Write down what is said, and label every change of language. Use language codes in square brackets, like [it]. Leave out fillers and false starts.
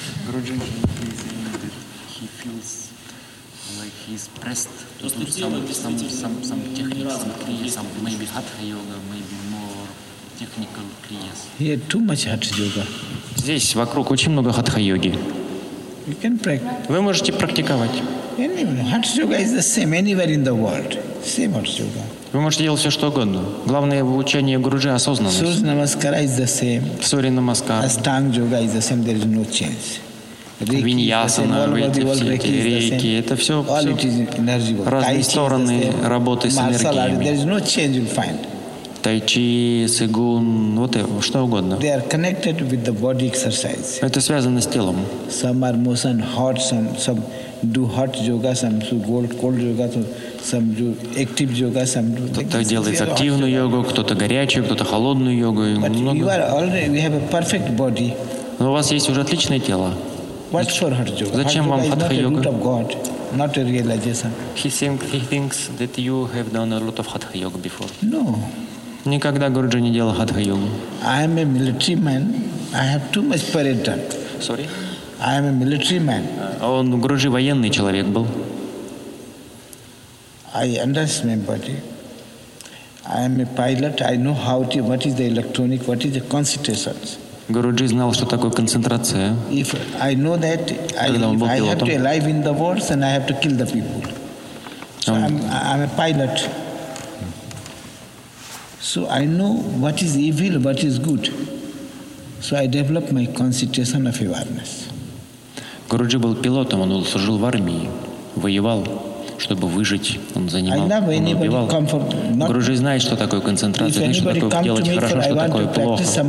[en] Груджин, he feels like he's pressed. [ru] Просто тело действительно не развито. [en] Maybe hatha yoga, maybe more technical kriyas. Here too much hatha yoga. [ru] Здесь вокруг очень много хатха йоги. [en] You can practice. [ru] Вы можете практиковать. [en] Anywhere. Hatha yoga is the same anywhere in the world. Same hatha yoga. [ru] Вы можете делать все, что угодно. Главное в учении Гуруджи – осознанность. [en] Surya Namaskara is the same. Surya Namaskara. Astanga yoga is the same. There is no change. [ru] Виньясана, эти рейки – это все, [en] all it is energy work. [ru] Разные стороны работы с энергиями. [en] There is no change you'll find. [ru] Тайчи, сыгун, вот это, что угодно. [en] They are connected with the body exercise. [ru] Это связано с телом. [en] Some are motion hot, some do hot yoga, some do cold yoga, some do active yoga, some do. [ru] Кто-то делает активную йогу, кто-то горячую, кто-то холодную йогу. [en] But [ru] много. [en] You are already, we have a perfect body. [ru] Но у вас есть уже отличное тело. [en] What for hot yoga? [ru] Зачем вам хатха йога? [en] Not a root of God, not a realization. He thinks that you have done a lot of hatha yoga before. No. [ru] Никогда Гуруджи не делал хатха-йогу. [en] I am a military man. I have too much parade done. Sorry? I am a military man. [ru] Он, Гуруджи, военный человек был. [en] I understand my body. I am a pilot. I know how to, what is the electronic, what is the concentration. [ru] Guruji знал, что такое концентрация. [en] If I know that, I have to alive in the world and I have to kill the people. So I'm a pilot. So I know what is evil, what is good. So I develop my concentration of awareness. [ru] Guruji был пилотом, он служил в армии, воевал, чтобы выжить. Он занимал, он убивал. Guruji знает, что такое концентрация, что такое делать хорошо, что такое плохо.